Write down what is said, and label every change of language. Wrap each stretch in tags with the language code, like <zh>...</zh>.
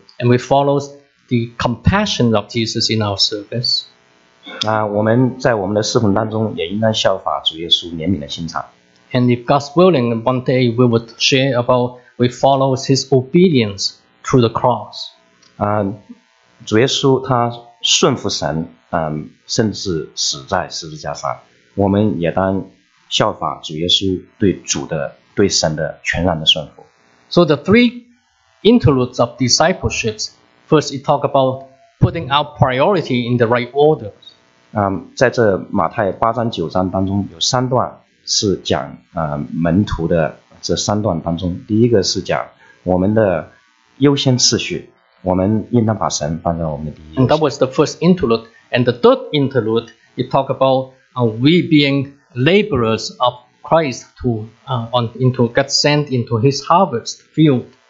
<en>And we follow the compassion of Jesus in our service.</en> <zh>我们在我们的侍奉当中，也应当效法主耶稣怜悯的心肠。</zh> <en>And if God's willing, one day we would share about we follow his obedience through the cross.</en> <zh>主耶稣他 顺服神，甚至死在十字架上。我们也当效法主耶稣对主的、对神的全然的顺服。</zh> <en>So the three interludes of discipleship. First, it talk about putting our priority in the right order.</en> <zh>在这马太八章九章当中有三段是讲门徒的这三段当中，第一个是讲我们的优先次序，我们应当把神放在我们的第一。</zh> <en>And that was the first interlude. And the third interlude, it talk about we being laborers of Christ to on into get sent into His harvest field.</en>